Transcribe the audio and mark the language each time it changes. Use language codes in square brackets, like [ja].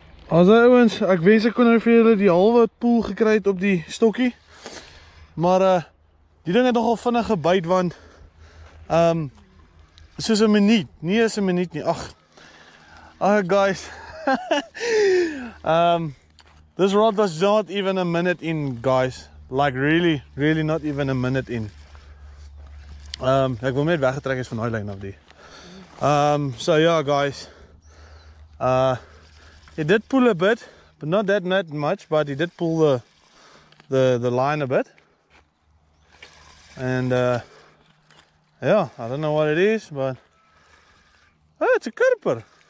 [af] Also, ouwens, ek wens ek kon nou vir julle die halwe poel gekry het op die stokkie. Maar die ding het nogal vinnig gebyt, want soos 'n minuut, nie is 'n minuut nie. Ag. Ag, guys. [en] this rod was not even a minute in, guys. Like really, really not even a minute in. [af] Ek wil net weggetrek is van daai lyn af die. [en] So yeah, guys. He did pull a bit, but not that much, but he did pull the line a bit. And yeah, I don't know what it is, but oh, it's a Kurper.